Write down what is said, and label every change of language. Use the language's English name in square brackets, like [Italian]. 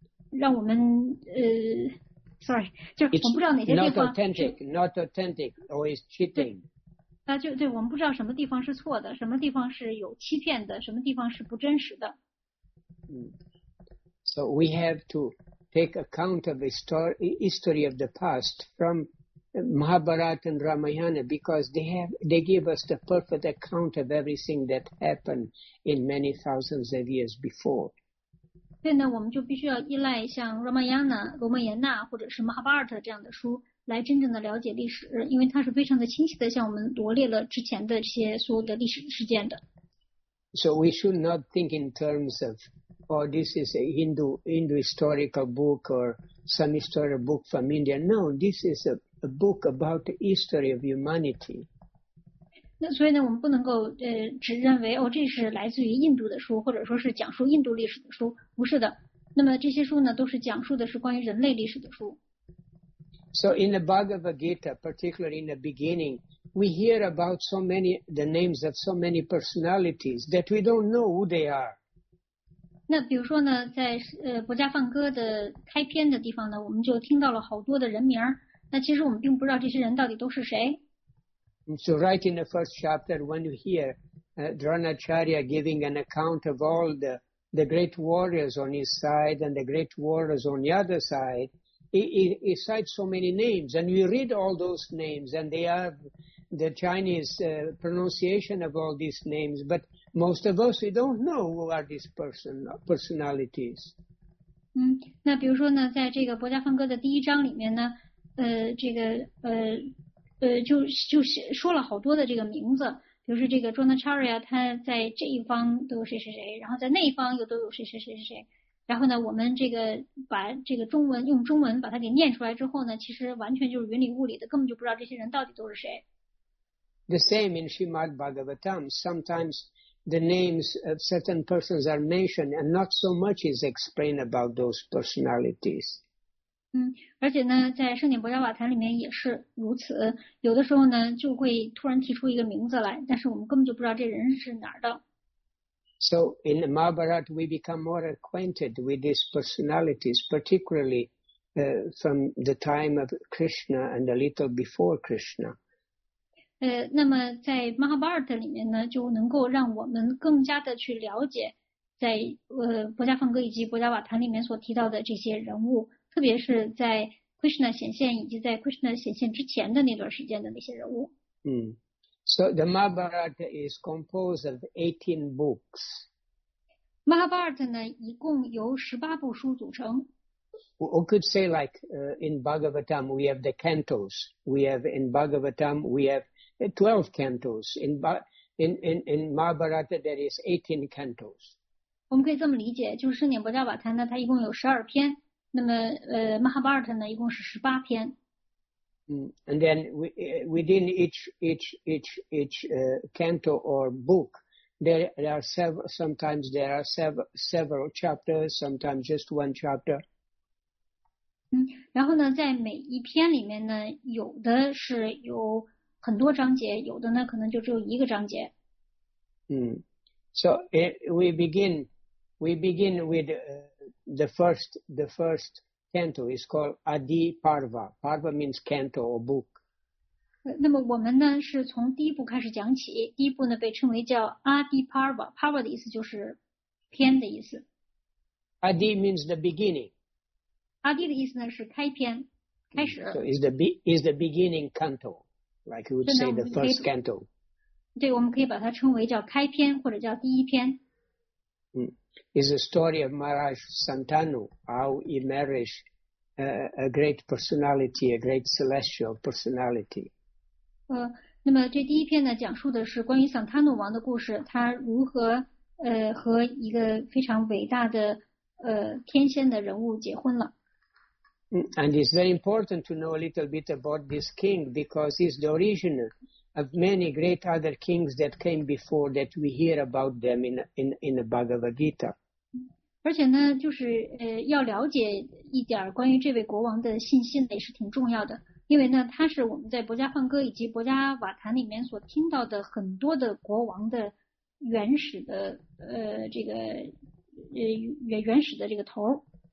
[Chinese] 让我们就是我们不知道哪些地方 [English] not authentic, not authentic, or is cheating. [Chinese] 对，我们不知道什么地方是错的，什么地方是有欺骗的，什么地方是不真实的。 [English] So we have to take account of the history of the past from Mahabharata and Ramayana because they give us the perfect account of everything that happened in many thousands of years before. [Chinese] 对呢，我们就必须要依赖像 Ramayana, 罗摩衍那或者是 Mahabharata 这样的书来真正的了解历史，因为它是非常的清晰的向我们罗列了之前的这些所有的历史事件的。 [English] So we should not think in terms of, oh, this is a Hindu historical book or some historical book from India. No, this is a book about the history of humanity. [Chinese] 那所以呢，我们不能够只认为哦，这是来自于印度的书，或者说是讲述印度历史的书，不是的。那么这些书呢，都是讲述的是关于人类历史的书。 [English] So in the Bhagavad Gita, particularly in the beginning, we hear about so many the names of so many personalities that we don't know who they are. [Chinese] 那比如说呢，在博迦梵歌的开篇的地方呢，我们就听到了好多的人名。那其实我们并不知道这些人到底都是谁。 [English] And so right in the first chapter, when you hear Dronacharya giving an account of all the great warriors on his side and the great warriors on the other side, he cites so many names. And you read all those names, and they have the Chinese pronunciation of all these names. But most of us, we don't know who are these personalities. [Chinese] 嗯，那比如说呢，在这个《博迦梵歌》的第一章里面呢，这个就说了好多的这个名字，比如说这个 Dronacharya 他在这一方都有谁谁谁，然后在那一方又都有谁谁谁谁谁。然后呢，我们这个把这个中文用中文把它给念出来之后呢，其实完全就是云里雾里的，根本就不知道这些人到底都是谁。 [English] The same in Srimad Bhagavatam, sometimes the names of certain persons are mentioned, and not so much is explained about those personalities. [Chinese] 嗯，而且呢，在《圣典博迦瓦坛》里面也是如此。有的时候呢，就会突然提出一个名字来，但是我们根本就不知道这人是哪儿的。 [English] So in the Mahabharata, we become more acquainted with these personalities, particularly from the time of Krishna and a little before Krishna. [Chinese] 那么在《Mahabharata》里面呢，就能够让我们更加的去了解在《博迦梵歌》以及《博迦瓦坛》里面所提到的这些人物。特别是在 Krishna 显现以及在 Krishna 显现之前的那段时间的那些人物。 [English] So the Mahabharata is composed of 18 books. [Chinese] Mahabharata 呢，一共由18部书组成。 [English] We could say like in Bhagavatam we have the cantos. We have in Bhagavatam we have 12 cantos. In Mahabharata there is 18 cantos. [Chinese] 我们可以这么理解，就是圣典博迦瓦坛呢，它一共有12篇。那么Mahabharata 呢一共是18篇。 [English] And then within each canto or book, there are several chapters, sometimes just one chapter. [Chinese] 嗯，然后呢在每一篇里面呢有的是有很多章节，有的呢可能就只有一个章节。 [English] So we begin with the first canto is called Adi Parva. Parva means canto or book. [Chinese] 那么我们呢是从第一部开始讲起，第一部呢被称为叫 Adi Parva. Parva 的意思就是篇的意思。 [English] Adi means the beginning. [Chinese] Adi 的意思呢是开篇，开始。 [English] So is the beginning canto, like you would say the first canto. [Chinese] 对，我们可以把它称为叫开篇或者叫第一篇。 [English] Is a story of Maharaj Santanu, how he marries a great personality, a great celestial personality. [Chinese] 那么这第一篇呢，讲述的是关于 Santanu 王的故事，他如何和一个非常伟大的天仙的人物结婚了。 [English] And it's very important to know a little bit about this king because he's the origin of many great other kings that came before that we hear about them in the Bhagavad Gita. [Chinese] 而且呢，就是要了解一点关于这位国王的信息也是挺重要的，因为呢，他是我们在《博迦梵歌》以及《博迦瓦坛》里面所听到的很多的国王的原始的这个头。